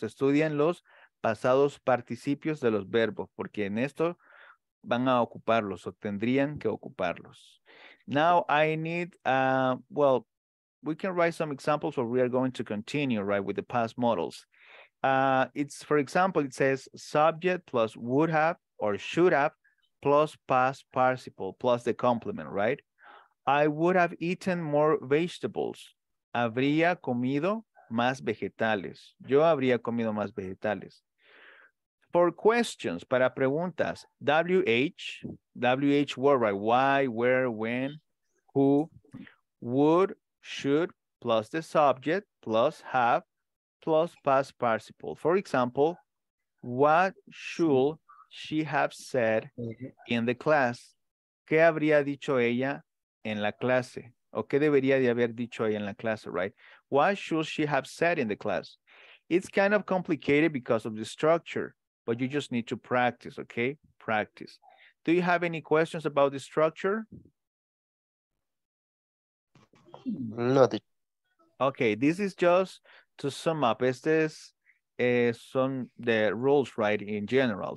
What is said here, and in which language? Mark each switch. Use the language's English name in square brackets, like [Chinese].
[Spanish] Estudien los pasados participios de los verbos, porque en esto van a ocuparlos o tendrían que ocuparlos. [English] Now I need, we can write some examples where we are going to continue, right, with the past models. It's, for example, it says subject plus would have or should have plus past participle plus the complement, right? I would have eaten more vegetables. [Spanish] Habría comido más vegetales. Yo habría comido más vegetales. [English] For questions, [Spanish] para preguntas, [English] WH word, right? Why, where, when, who, would, should, plus the subject, plus have, plus past participle. For example, what should she have said in the class? [Spanish] ¿Qué habría dicho ella en la clase? ¿O qué debería de haber dicho ella en la clase, right? [English] What should she have said in the class? It's kind of complicated because of the structure. But you just need to practice, okay? Practice. Do you have any questions about the structure? Nothing. Okay, this is just to sum up. [Spanish] Este es [English] some the rules, right, in general.